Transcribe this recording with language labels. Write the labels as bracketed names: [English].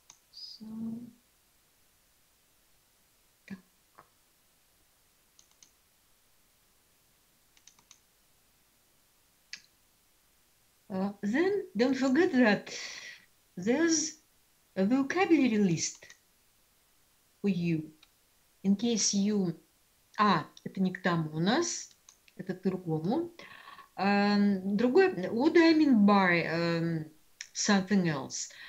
[English] So так. Then don't forget that. There's a vocabulary list for you, in case you... [Russian] А, это не к тому у нас, это к другому. Другое, [English] what do I mean by something else?